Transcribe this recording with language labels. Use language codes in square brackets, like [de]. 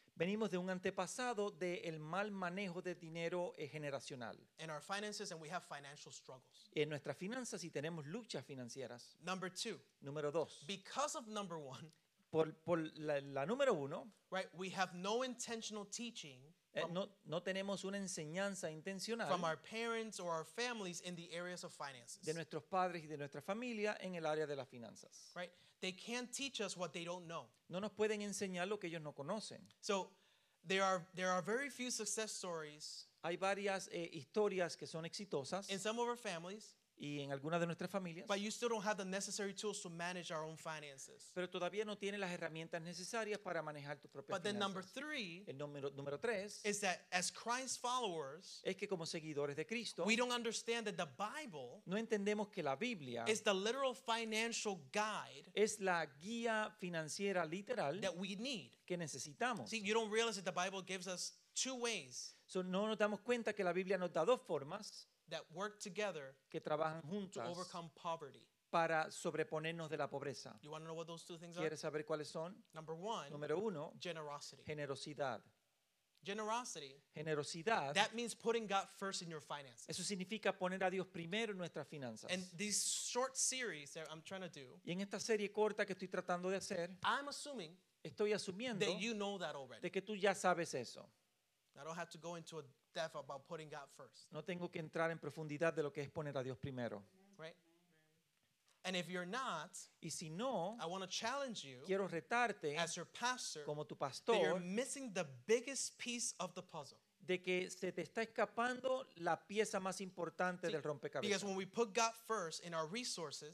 [es] Venimos de un antepasado del mal manejo de dinero generacional. [en] In our finances, and we have financial struggles. [es] En nuestras finanzas y tenemos luchas financieras. [en] Number two. [es] Número dos. [en] Because of number one. [es] Por la número uno. [en] Right, we have no intentional teaching. [es] No tenemos una enseñanza intencional [en] from our parents or our families in the areas of finances. [es] De nuestros padres y de nuestra familia en el área de las finanzas. [en] Right? They can't teach us what they don't know. [es] No nos pueden enseñar lo que ellos no conocen. [en] So there are very few success stories. [es] Hay varias historias que son exitosas. [en] In some of our families. [es] Y en algunas de nuestras familias. [en] But you still don't have the necessary tools to manage our own finances. [es] Pero todavía no tienes las herramientas necesarias para manejar tus propias finanzas. [en] then number three, [es] el número tres, [en] is that as Christ followers, [es] es que como seguidores de Cristo, [en] we don't understand that the Bible, [es] no entendemos que la Biblia, [en] is the literal financial guide, [es] es la guía financiera literal, [en] that we need, [es] que necesitamos. [en] See, you don't realize that the Bible gives us two ways. [es] So no nos damos cuenta que la Biblia nos da dos formas. [en] That work together [es] que trabajan juntas [en] to overcome poverty. [es] Para sobreponernos de la pobreza. [en] You want to know what those two things [es] ¿Quieres [en] are? [es] Saber cuáles son? [en] Number one, [es] número uno, [en] generosity. [es] Generosidad. [en] Generosity. [es] Generosidad. [en] That means putting God first in your finances. [es] Eso significa poner a Dios primero en nuestras finanzas. [en] And this short series that I'm trying to do. [es] Y en esta serie corta que estoy tratando de hacer. [en] I'm assuming. [es] Estoy asumiendo. [en] That you know that already. [es] De que tú ya sabes eso. [en] I don't have to go into a depth about putting God first. [es] No tengo que entrar en profundidad de lo que es poner a Dios primero. [en] Right? And if you're not, [es] y si no, [en] I want to challenge you, [es] quiero retarte, [en] as your pastor, [es] como tu pastor, [en] that you're missing the biggest piece of the puzzle. [es] De que se te está escapando la pieza más importante del rompecabezas. [en] Because when we put God first in our resources,